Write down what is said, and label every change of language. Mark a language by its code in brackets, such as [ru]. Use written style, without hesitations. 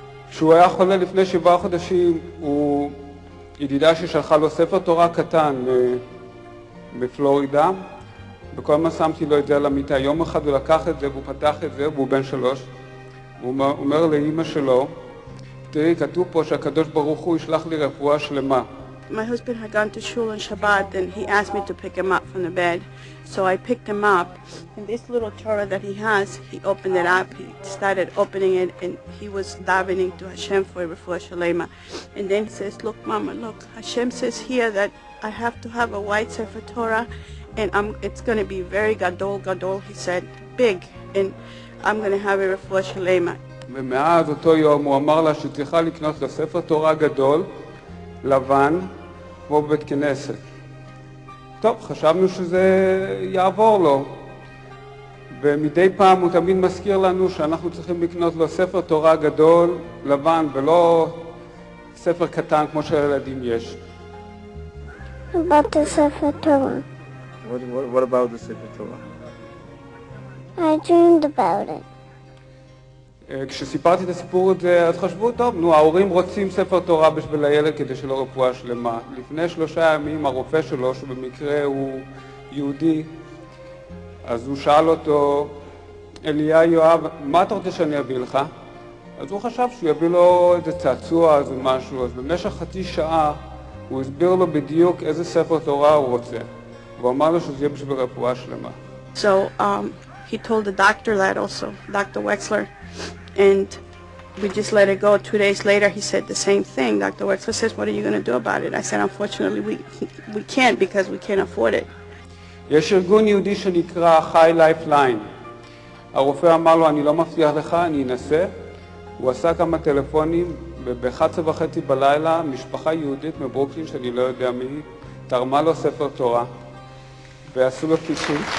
[he] כשהוא היה חולה לפני 7 חודשים, הוא ידידה ששלחה לו ספר תורה קטן מפלורידה, וכל מה שמתי לו את זה על המיטה. יום אחד הוא לקח את זה והוא פתח את זה והוא בן 3, והוא אומר לאמא שלו, תראי, כתוב פה שהקדוש ברוך הוא ישלח לי רפואה שלמה. [en] my husband had gone to shul on Shabbat, and he asked me to pick him up from the bed. So I picked him up, and this little Torah that he has, he opened it up, he started opening it, and he was davening to Hashem for Refuah Shleima. And then he says, look, Mama, look, Hashem says here that I have to have a white Sefer Torah, and it's going to be very gadol, gadol, he said, big, and I'm going to have a Refuah Shleima. [he] ומאז אותו יום הוא אמר לה שצריכה לקנות לו ספר תורה גדול, לבן, כמו בבית כנסת. טוב, חשבנו שזה יעבור לו. ומדי פעם הוא תמיד מזכיר לנו שאנחנו צריכים לקנות לו ספר תורה גדול, לבן, ולא ספר קטן כמו שלילדים יש. [en] About the ספר תורה. What about the ספר תורה? I dreamed about it. [he] כשסיפרתי את הסיפור הזה, אז חשבו, טוב, נו, ההורים רוצים ספר תורה בשביל הילד כדי שלא רפואה שלמה. לפני שלושה ימים הרופא שלו, שבמקרה הוא יהודי, אז הוא שאל אותו, אליה יואב, מה אתה רוצה שאני אביא לך? אז הוא חשב שהוא יביא לו איזה צעצוע או משהו, אז במשך חצי שעה הוא הסביר לו בדיוק איזה ספר תורה הוא רוצה. והוא אמר לו שזה יהיה בשביל רפואה שלמה. [en] So, he told the doctor that also, Dr. Wexler. And we just let it go. 2 days later, he said the same thing. Dr. Wexler says, what are you going to do about it? I said, unfortunately, we can't because we can't afford it. [he] יש ארגון יהודי שנקרא High Lifeline. הרופא אמר לו, אני לא מבטיח לך, אני אנסה. הוא עשה כמה טלפונים, וב-11:30 בלילה, משפחה יהודית מברוקלין, שאני לא יודע מי, תרמה לו ספר תורה, ועשו לו קישור.